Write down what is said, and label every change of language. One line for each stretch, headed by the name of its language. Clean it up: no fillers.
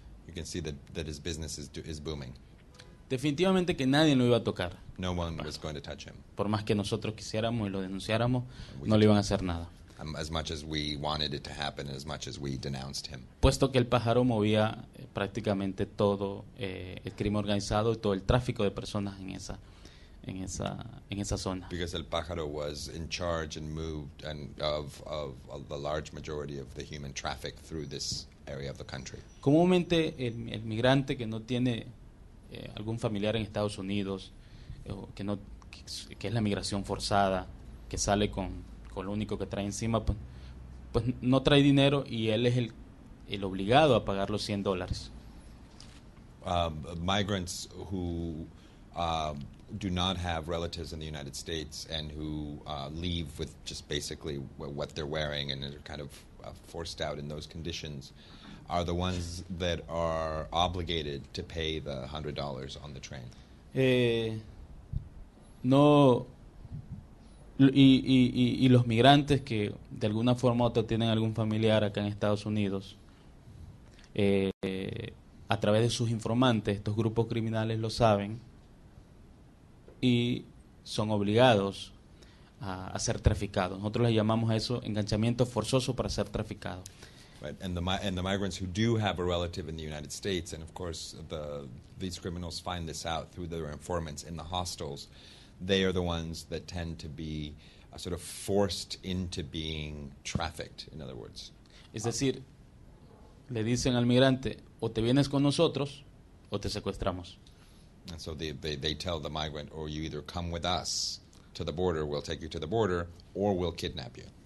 English: You can see that his business is booming.
Spanish: Definitivamente que nadie lo iba a tocar.
English: No one was going to touch him.
Spanish: Por más que nosotros quisiéramos y lo denunciáramos, no le iban a hacer nada.
English: As much as we wanted it to happen, as much as we denounced him.
Spanish: Puesto que el pájaro movía prácticamente todo el crimen organizado y todo el tráfico de personas en esa zona.
English: Because el pájaro was in charge and moved and of the large majority of the human traffic through this area of the country.
Spanish: Comúnmente el migrante que no tiene algún familiar en Estados Unidos, que es la migración forzada, que sale con lo único que trae encima, pues no trae dinero y él es el obligado a pagar los $100.
English: Migrants who do not have relatives in the United States and who leave with just basically what they're wearing and are kind of forced out in those conditions are the ones that are obligated to pay the $100 on the train. No.
Spanish: Y los migrantes que de alguna forma u otra tienen algún familiar acá en Estados Unidos, a través de sus informantes, estos grupos criminales lo saben y son obligados a ser traficados. Nosotros les llamamos a eso enganchamiento forzoso para ser traficado.
English: Right. And the migrants who do have a relative in the United States, and of course these criminals find this out through their informants in the hostels, they are the ones that tend to be sort of forced into being trafficked, in other words.
Spanish: Es decir, le dicen al migrante, o te vienes con nosotros, o te secuestramos.
English: And so they tell the migrant, or you either come with us to the border, we'll take you to the border, or we'll kidnap you.